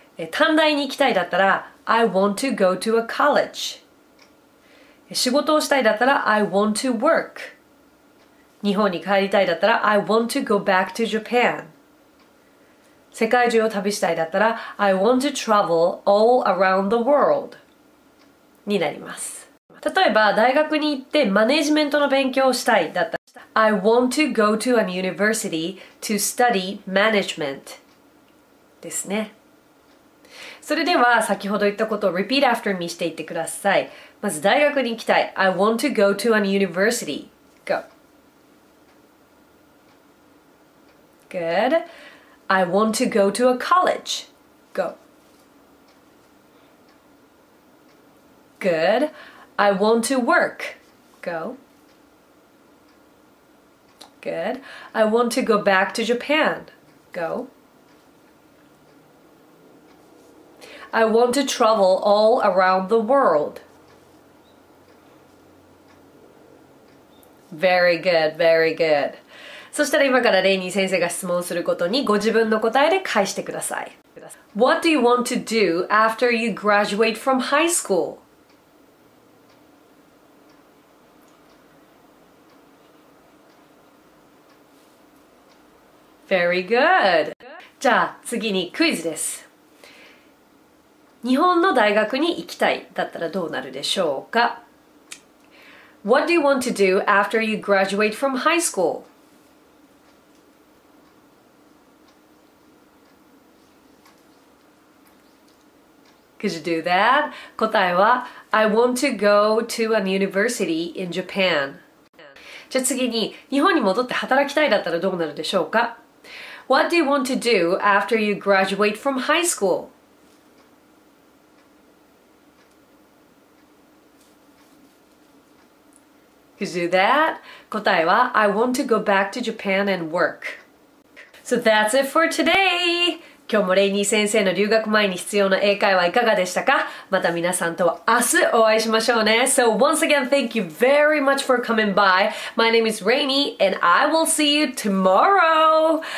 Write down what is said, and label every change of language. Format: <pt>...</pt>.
<ja>短大に行きたいだったら</ja> <en>I want to go to a college.</en> <ja>仕事をしたいだったら</ja> <en>I want to work。</en> <ja>日本に帰りたいだったら</ja> <en>I want to go back to Japan。</en> <ja>世界中を旅したいだったら</ja> <en>I want to travel all around the world</en> <ja>になります。例えば大学に行ってマネジメントの勉強をしたいだったら</ja> <en>I want to go to an university to study management</en> <ja>ですね。それでは先ほど言ったことを</ja> <en>repeat after me</en> <ja>していってください。まず大学に行きたい。</ja> <en>I want to go to an university. Go. Good. I want to go to a college. Go. Good. I want to work. Go. Good. I want to go back to Japan. Go. I want to travel all around the world. Very good, very good.</en> <ja>そしたら今からレイニー先生が質問することにご自分の答えで返してください。</ja> <en>What do you want to do after you graduate from high school? Very good.</en> <ja>じゃあ次にクイズです。日本の大学に行きたいだったらどうなるでしょうか?</ja> <en>What do you want to do after you graduate from high school? Could you do that?</en> <ja>答えは、</ja> <en>I want to go to an university in Japan.</en> <ja>じゃあ次に、日本に戻って働きたいだったらどうなるでしょうか?</ja> <en>What do you want to do after you graduate from high school? Do that?</en> <ja>答えは</ja> <en>I want to go back to Japan and work. So that's it for today!</en> <ja>今日もレイニー先生の留学前に必要な英会話いかがでしたか? また皆さんとは明日お会いしましょうね!</ja> <en>So once again, thank you very much for coming by. My name is Reiny and I will see you tomorrow!</en>